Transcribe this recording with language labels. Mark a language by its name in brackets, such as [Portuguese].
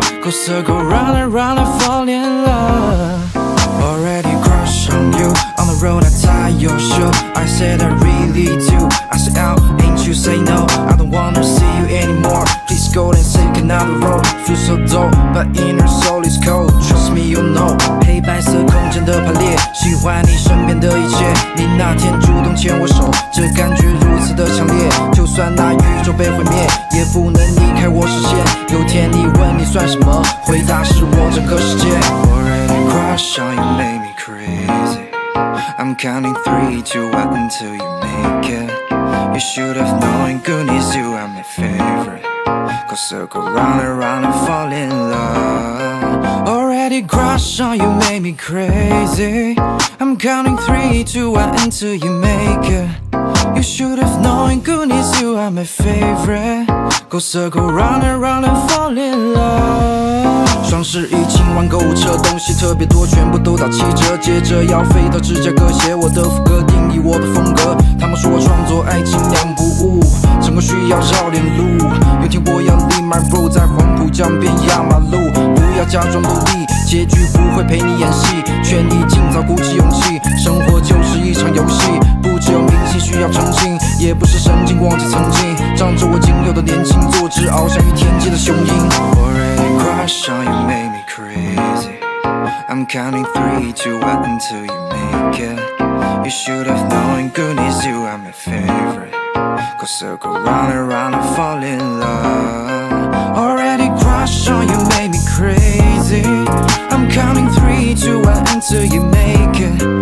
[English] Go circle round and round and fall in love. Already crushed on you. On the road I tie your shoe. I said I really do. I said out, ain't you say no. I don't wanna see you anymore. Please go and take another road. Feel so dull, but inner soul is cold. Trust me, you know. [Chinese] 黑白色空间的排列，喜欢你身边的一切。你那天主动牵我手，这感觉如此的强烈。就算那宇宙被毁灭，也不能离开我视线。有天你问你算什么，回答是我整个世界。 [English] Already crush on you made me crazy. I'm counting three to one until you make it. You should have known goodness you are my favorite. Go circle round and round and fall in love. Already crush on you made me crazy. I'm counting three to one until you make it. You should have known goodness, you are my favorite. Go circle round and round and fall in love. [Chinese] 双十一清完购物车，东西特别多，全部都打七折。接着要飞到芝加哥，写我的副歌，定义我的风格。他们说我创作爱情两不误，成功需要绕点路。有天我要 [English] leave my road， [Chinese] 在黄浦江边压马路。不要假装努力，结局不会陪你演戏。劝你尽早鼓起勇气，生活就是一场游戏。只有明星需要澄清，也不是神经忘记曾经，仗着我仅有的年轻，坐姿翱翔于天际的雄鹰。 [English] Already crush on you made me crazy. I'm counting three to one until you make it. You should have known goodness you are my favorite. Go circle round and round and fall in love. Already crush on you made me crazy. I'm counting three to one until you make it.